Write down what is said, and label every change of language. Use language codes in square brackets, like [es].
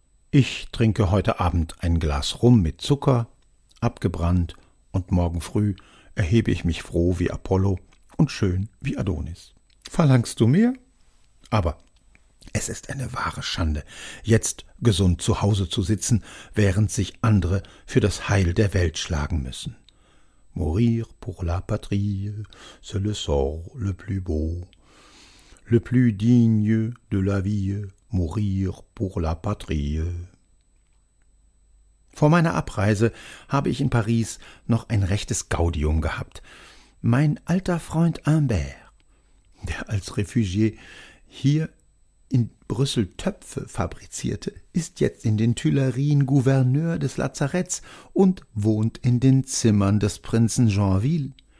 [de] Ich trinke heute Abend ein Glas Rum mit Zucker, abgebrannt, und morgen früh erhebe ich mich froh wie Apollo und schön wie Adonis. Verlangst du mehr? Aber es ist eine wahre Schande, jetzt gesund zu Hause zu sitzen, während sich andere für das Heil der Welt schlagen müssen. [fr] Mourir pour la patrie, c'est le sort le plus beau. Le plus digne de la vie, mourir pour la patrie. [de] Vor meiner Abreise habe ich in Paris noch ein rechtes Gaudium gehabt. Mein alter Freund Humbert, der als Refugié hier in Brüssel Töpfe fabrizierte, ist jetzt in den Tuilerien Gouverneur des Lazaretts und wohnt in den Zimmern des Prinzen Joinville.